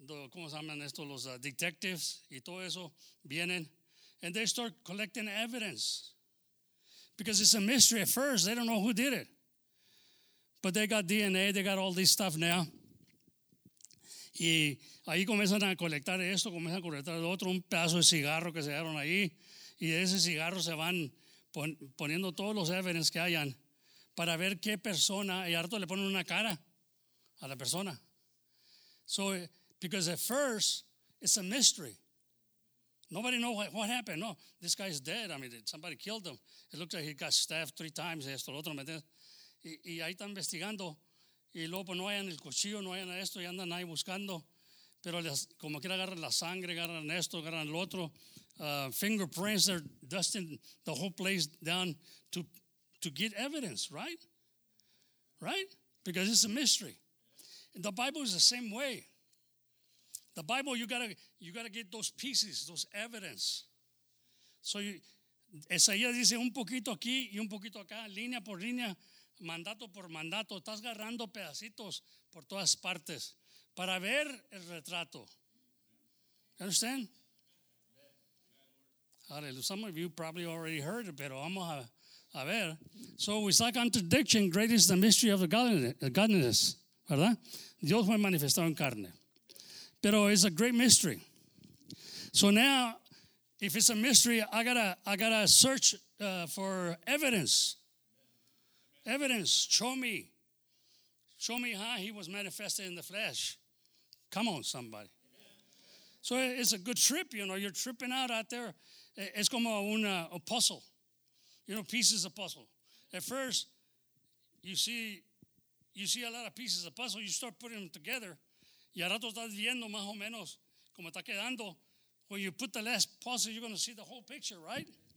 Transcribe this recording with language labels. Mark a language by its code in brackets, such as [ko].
[es] ¿Cómo se llaman estos? Los detectives y todo eso vienen, [en] and they start collecting evidence because it's a mystery at first. They don't know who did it, but they got DNA, they got all this stuff now. [es] Y ahí comienzan a colectar esto, comienzan a colectar lo otro, un pedazo de cigarro que se dieron ahí, y de ese cigarro se van poniendo todos los evidence que hayan para ver qué persona, y harto le ponen una cara a la persona. [en] So, because at first, it's a mystery. Nobody knows what happened. No, this guy is dead. I mean, somebody killed him. It looks like he got stabbed 3 times. [es] Esto, lo otro, ¿me entiendes? Y ahí están investigando. Y luego, pues, no hayan el cuchillo, no hayan esto. Y andan ahí buscando. Pero les, como quiera agarran la sangre, agarran esto, agarran lo otro. [en] Fingerprints, they're dusting the whole place down to get evidence, right? Right? Because it's a mystery. And the Bible is the same way. The Bible, you gotta get those pieces, those evidence. [es] So Isaías dice un poquito aquí y un poquito acá, línea por línea, mandato por mandato. Estás agarrando pedacitos por todas partes para ver el retrato. [en] Understand? Hallelujah. Some of you probably already heard it, [es] pero vamos a ver. [en] So it's like contradiction, great is the mystery of the godliness, ¿verdad? [es] Dios fue manifestado en carne. Pero [en] it's a great mystery. So now, if it's a mystery, I gotta search for evidence. Evidence. Show me how he was manifested in the flesh. Come on, somebody. So it's a good trip, you know. You're tripping out there. It's [es] como una, [en] a puzzle. You know, pieces of puzzle. At first, you see a lot of pieces of puzzle. You start putting them together. [es] Y ahora tú estás viendo más o menos cómo está quedando. [en] When you put the last puzzle, you're going to see the whole picture, right?